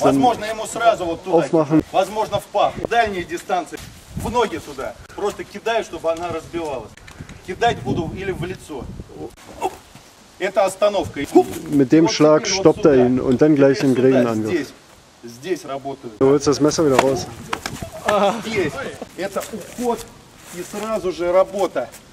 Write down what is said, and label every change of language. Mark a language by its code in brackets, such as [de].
[ru] возможно, ему сразу вот туда. [de] Aufmachen. [ru] Возможно, в пах. В дальней дистанции. В ноги туда. Просто кидаю, чтобы она разбивалась. Кидать буду или в лицо. Это остановка. [de] Mit dem вот Schlag stoppt вот ihn und dann gleich im gegen Angriff. [ru] Здесь работаю. [de] Du holst das Messer wieder raus. [ru] Здесь. Это уход и сразу же работа.